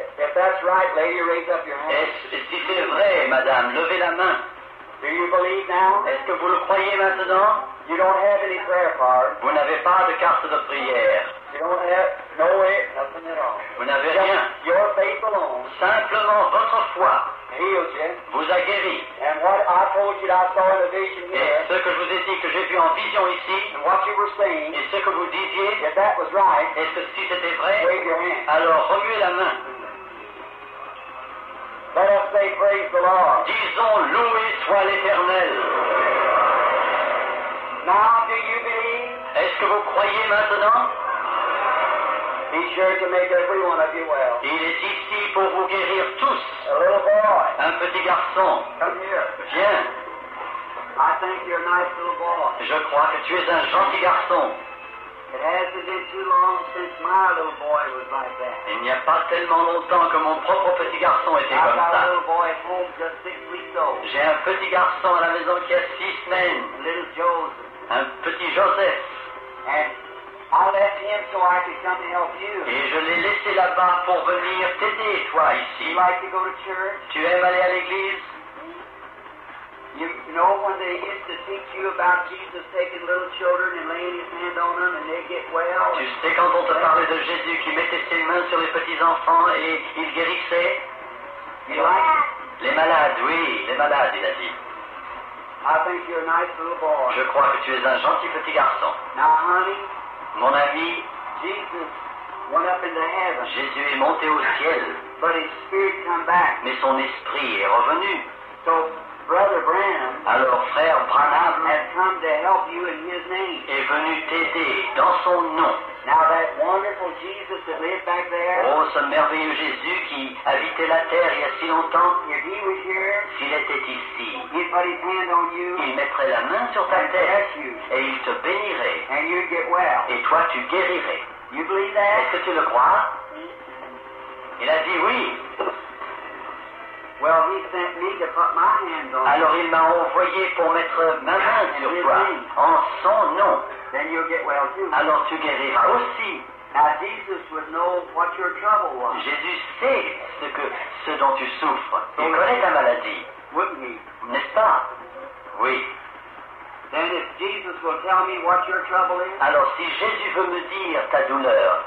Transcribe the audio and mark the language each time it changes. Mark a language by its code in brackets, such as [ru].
[en] If that's right, lady, raise up your hand. [fr] Et si c'est vrai, madame, levez la main. [en] Do you believe now? [fr] Est-ce que vous le croyez maintenant? [en] You don't have any prayer card. [fr] Vous n'avez pas de carte de prière. [en] You don't have no way, nothing at all. [fr] Vous n'avez [en] just [fr] rien. [en] Your faith alone. [fr] Simplement votre foi. [en] Healed you. [fr] Vous a guéri. [en] And what I told you that I saw in a vision here. [fr] Et ce que je vous ai dit que j'ai vu en vision ici. [en] And what you were saying. [fr] Et ce que vous disiez. [en] If that was right. [fr] Et ce si c'était vrai. [en] Wave your hand. [fr] Alors remuez la main. [en] Let us say praise the Lord. [fr] Disons loué soit l'Éternel. [en] Now do you believe? [fr] Est-ce que vous croyez maintenant? [en] He's sure to make every one of you well. [fr] Il est ici pour vous guérir tous. [en] A little boy. [fr] Un petit garçon. [en] Come here. [fr] Viens. [en] I think you're a nice little boy. [fr] Je crois que tu es un gentil garçon. [en] It hasn't been too long since my little boy was like that. [fr] Il n'y a pas tellement longtemps que mon propre petit garçon était comme ça. [en] I have a little boy at home just 6 weeks old. [fr] J'ai un petit garçon à la maison qui a 6 semaines. [en] Little Joseph. [fr] Un petit Joseph. [en] And I left him so I could come to help you. [fr] Et je l'ai laissé là-bas pour venir t'aider, toi, ici. [en] You like to go to church? [fr] Tu aimes aller à l'église? [en] You know when they used to teach you about Jesus taking little children and laying his hand on them and they get well? [fr] Tu sais quand on te parlait de Jésus qui mettait ses mains sur les petits enfants et ils guérissaient? [en] You like it? [fr] Les malades, oui, les malades, il a dit. [en] I think you're a nice little boy. [fr] Je crois que tu es un gentil petit garçon. [en] Now, honey, [fr] mon ami, [en] Jesus went up into heaven. [fr] Jésus est monté au ciel. [en] But his spirit come back. [fr] Mais son esprit est revenu. [en] So, Brother Branham, [fr] alors frère Branham [en] has come to help you in his name. [fr] Est venu t'aider dans son nom. [en] Now that wonderful Jesus that lived back there. [fr] Oh, ce merveilleux Jésus qui habitait la terre il y a si longtemps. [en] If he was here, [fr] s'il était ici, [en] he'd put his hand on you, [fr] il mettrait la main sur ta tête [en] you, [fr] et il te bénirait. [en] And you'd get well. [fr] Et toi, tu guérirais. [en] You believe that? [fr] Est-ce que tu le crois? Il a dit oui. [en] Well, he sent me to put my hands on. [fr] Alors il m'a envoyé pour mettre ma main sur toi en son nom. [en] Then you'll get well too. [fr] Alors tu guériras aussi. [en] Now, Jesus would know what your trouble was. [fr] Jésus sait ce dont tu souffres. [en] So [fr] il connaît ta maladie. [en] Wouldn't he? [fr] N'est-ce pas? Oui. [en] Then if Jesus will tell me what your trouble is, [fr] alors si Jésus veut me dire ta douleur,